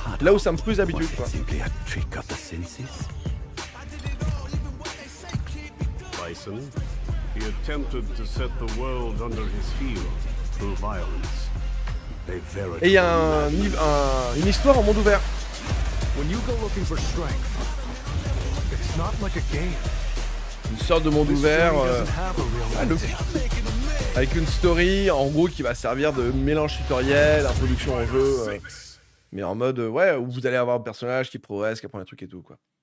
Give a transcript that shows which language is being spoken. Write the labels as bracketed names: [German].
[French] Là où ça me plus d'habitude, quoi. [English] Bison, he attempted to set the world under his heel through violence. [French] Et il y a une histoire en monde ouvert. [English] When you go looking for strength, it's not like a game. [French] Une sorte de monde ouvert avec une story en gros qui va servir de mélange tutoriel, introduction au jeu, mais en mode ouais, où vous allez avoir un personnage qui progresse, qui apprend des trucs et tout quoi.